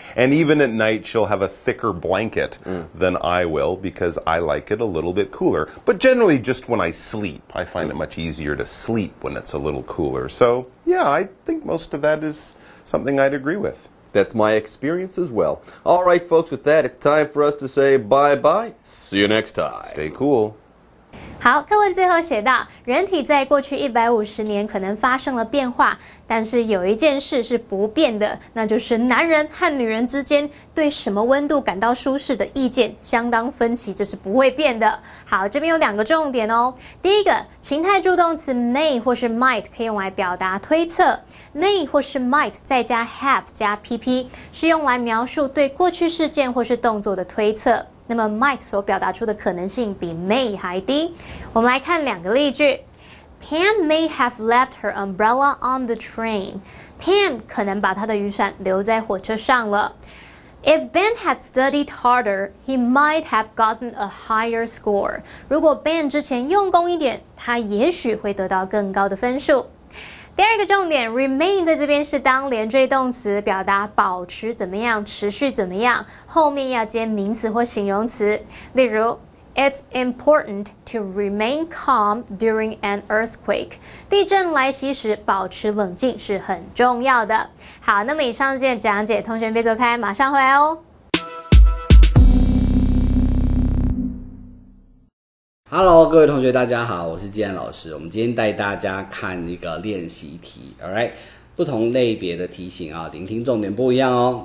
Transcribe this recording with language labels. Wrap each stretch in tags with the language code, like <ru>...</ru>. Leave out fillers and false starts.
<en>And even at night, she'll have a thicker blanket than I will because I like it a little bit cooler. But generally, just when I sleep, I find it much easier to sleep when it's a little cooler. So, yeah, I think most of that is something I'd agree with. That's my experience as well. All right, folks, with that, it's time for us to say bye-bye. See you next time. Stay cool.</en> <zh>好，课文最后写到，人体在过去150年可能发生了变化，但是有一件事是不变的，那就是男人和女人之间对什么温度感到舒适的意见相当分歧，这是不会变的。好，这边有两个重点哦。第一个，情态助动词 may 或是 might 可以用来表达推测， may 或是 might 再加 have 加 PP 是用来描述对过去事件或是动作的推测，那么 might 所表达出的可能性比 may 还低。我们来看两个例句。</zh> <en>Pam may have left her umbrella on the train.</en> <zh>Pam 可能把她的雨伞留在火车上了。</zh> <en>If Ben had studied harder, he might have gotten a higher score.</en> <zh>如果 Ben 之前用功一点，他也许会得到更高的分数。第二个重点 ，remain 在这边是当连缀动词，表达保持怎么样、持续怎么样，后面要接名词或形容词。</zh> <en>例如 ，It's important to remain calm during an earthquake.</en> <zh>地震来袭时保持冷静是很重要的。好，那么以上就是讲解，同学别走开，马上回来哦。 Hello， 各位同学，大家好，我是纪安老师。我们今天带大家看一个练习题 ，All right， 不同类别的题型啊，聆听重点不一样哦。</zh>